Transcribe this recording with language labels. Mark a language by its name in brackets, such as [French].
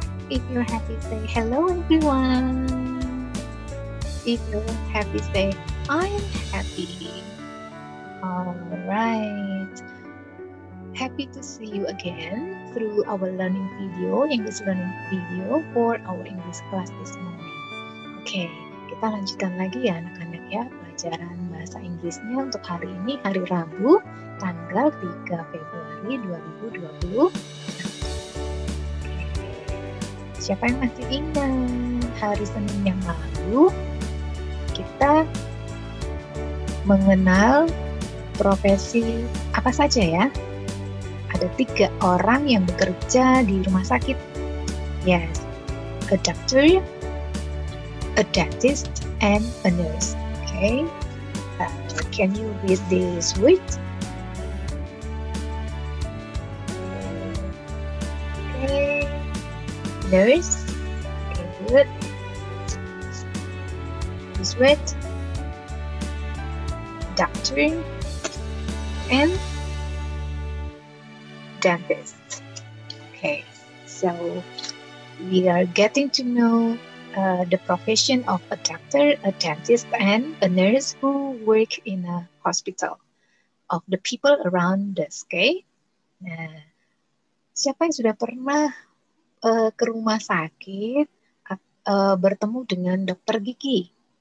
[English] If you're happy, say hello everyone. If you're happy, say I'm happy. Alright, happy to see you again through our learning video, English learning video for our English class this morning. [Indonesian] Okay, kita lanjutkan lagi ya anak-anak ya, pelajaran bahasa Inggrisnya untuk hari ini, hari Rabu, tanggal 3 Februari 2020. Siapa yang masih ingat hari Senin yang lalu, kita mengenal profesi apa saja ya? Ada 3 orang yang bekerja di rumah sakit. [English] Yes, a doctor, a dentist, and a nurse. Okay, can you read this word? Okay, nurse. Okay, good. This word, doctor. And dentist. Okay, so we are getting to know the profession of a doctor, a dentist, and a nurse who work in a hospital of the people around us. [Indonesian] Okay, nah, siapa yang sudah pernah ke rumah sakit bertemu dengan dokter gigi?